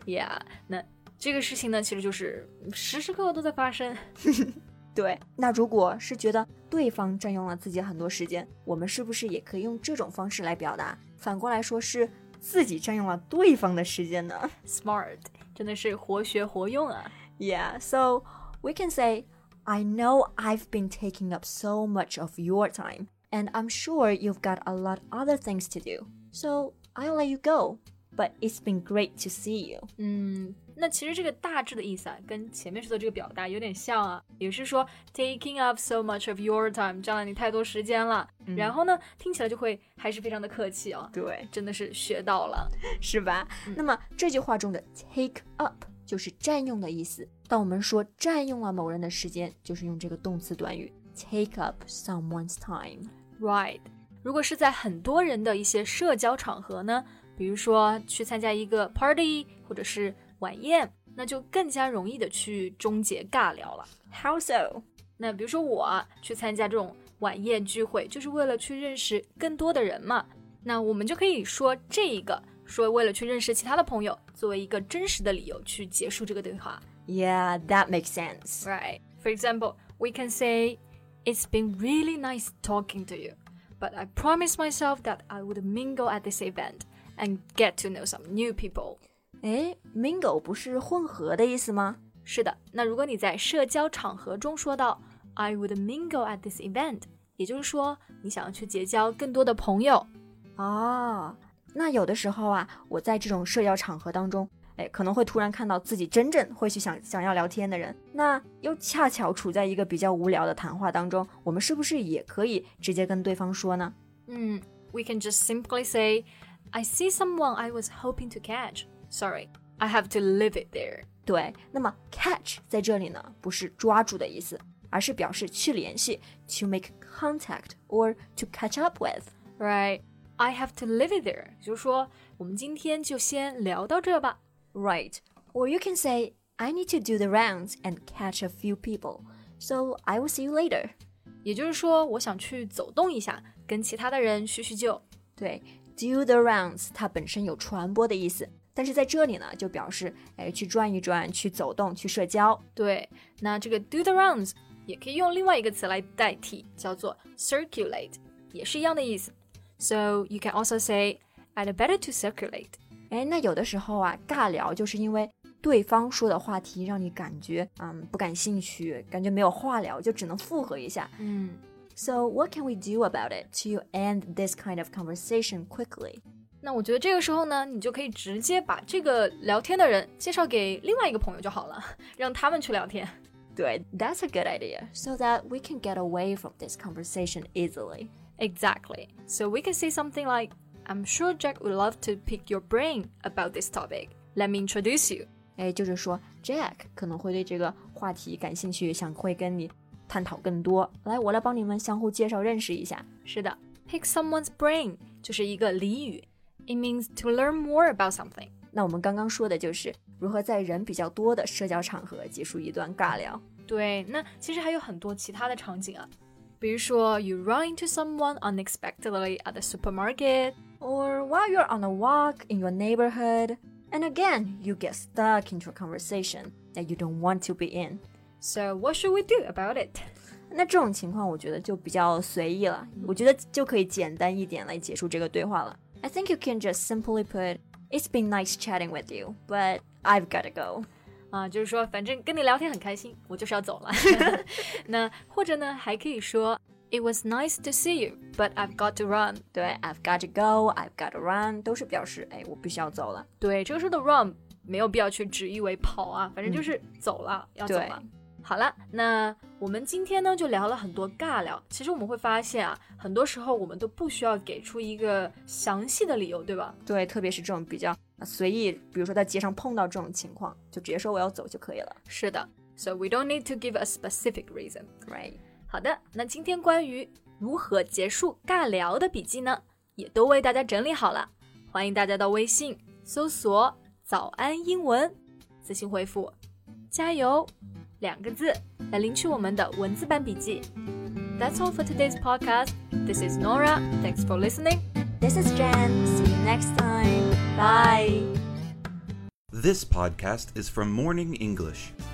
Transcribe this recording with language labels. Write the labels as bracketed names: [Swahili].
[Chinese] Yeah, 那这个事情呢其实就是时时刻刻都在发生。对，那如果是觉得对方占用了自己很多时间，我们是不是也可以用这种方式来表达，反过来说是自己占用了对方的时间呢？ Smart, 真的是活学活用啊。 [English] Yeah, so we can sayI know I've been taking up so much of your time, and I'm sure you've got a lot other things to do. So I'll let you go, but it's been great to see you. [Chinese] 那其实这个大致的意思啊，跟前面说的这个表达有点像啊，也是说 [English] taking up so much of your time, [Chinese] 占了你太多时间了。然后呢，听起来就会还是非常的客气哦。对，真的是学到了，是吧？那么这句话中的 take up 就是占用的意思。当我们说占用了某人的时间，就是用这个动词短语 [English] take up someone's time. Right. [Chinese] 如果是在很多人的一些社交场合呢，比如说去参加一个 party 或者是晚宴，那就更加容易的去终结尬聊了。 [English] How so? [Chinese] 那比如说我去参加这种晚宴聚会，就是为了去认识更多的人嘛。那我们就可以说这一个，说为了去认识其他的朋友，作为一个真实的理由去结束这个对话。 [English] Yeah, that makes sense. Right. For example, we can say, It's been really nice talking to you, but I promised myself that I would mingle at this event and get to know some new people. [Chinese] 诶 mingle 不是混合的意思吗？是的，那如果你在社交场合中说到 [English] I would mingle at this event, [Chinese] 也就是说你想要去结交更多的朋友，哦，那有的时候啊，我在这种社交场合当中，哎，可能会突然看到自己真正会去想要聊天的人，那又恰巧处在一个比较无聊的谈话当中，我们是不是也可以直接跟对方说呢？ [English] We can just simply say, I see someone I was hoping to catch. Sorry, I have to leave it there. [Chinese] 对，那么 catch 在这里呢，不是抓住的意思，而是表示去联系 [English] to make contact or to catch up with. Right, I have to leave it there. [Chinese] 就是说，我们今天就先聊到这吧。 [English] Right, or you can say, I need to do the rounds and catch a few people. So I will see you later. [Chinese] 也就是说，我想去走动一下，跟其他的人叙叙旧。对 ，do the rounds 它本身有传播的意思，但是在这里呢，就表示哎去转一转，去走动，去社交。对，那这个 do the rounds 也可以用另外一个词来代替，叫做 circulate， 也是一样的意思。 [English] So you can also say I'd better to circulate. [Chinese] 哎，那有的时候啊，尬聊就是因为对方说的话题让你感觉不感兴趣，感觉没有话聊，就只能附和一下。 [English] So what can we do about it to end this kind of conversation quickly? [Chinese] 那我觉得这个时候呢，你就可以直接把这个聊天的人介绍给另外一个朋友就好了，让他们去聊天。 [English] 对 ，That's a good idea, so that we can get away from this conversation easily. Exactly. So we can say something like. I'm sure Jack would love to pick your brain about this topic. Let me introduce you. [Chinese] 哎，就是说 Jack 可能会对这个话题感兴趣，想会跟你探讨更多。来，我来帮你们相互介绍认识一下。是的 ， [English] pick someone's brain [Chinese] 就是一个俚语 ， [English] it means to learn more about something. [Chinese] 那我们刚刚说的就是如何在人比较多的社交场合结束一段尬聊。对，那其实还有很多其他的场景啊，比如说 [English] you run into someone unexpectedly at the supermarket. Or while you're on a walk in your neighborhood, and again, you get stuck into a conversation that you don't want to be in. So what should we do about it? [Chinese] 那这种情况我觉得就比较随意了，我觉得就可以简单一点来结束这个对话了。 [English] I think you can just simply put, it's been nice chatting with you, but I've gotta go. [Chinese] 就是说反正跟你聊天很开心，我就是要走了。那或者呢，还可以说 [English] It was nice to see you, but I've got to run. [Chinese] 对 ， [English] I've got to go, I've got to run, [Chinese] 都是表示哎，我必须要走了。对，这个时候的 run 没有必要去直译为跑啊，反正就是走了，要走了。好了，那我们今天呢就聊了很多尬聊。其实我们会发现啊，很多时候我们都不需要给出一个详细的理由，对吧？对，特别是这种比较随意，比如说在街上碰到这种情况，就直接说我要走就可以了。 [English] 是的 ，So we don't need to give a specific reason, right? [Chinese] 好的，那今天关于如何结束尬聊的笔记呢，也都为大家整理好了。欢迎大家到微信搜索早安英文，自行回复加油两个字来领取我们的文字版笔记。 [English] That's all for today's podcast. This is Nora. Thanks for listening. This is Jen. See you next time. Bye. This podcast is from Morning English.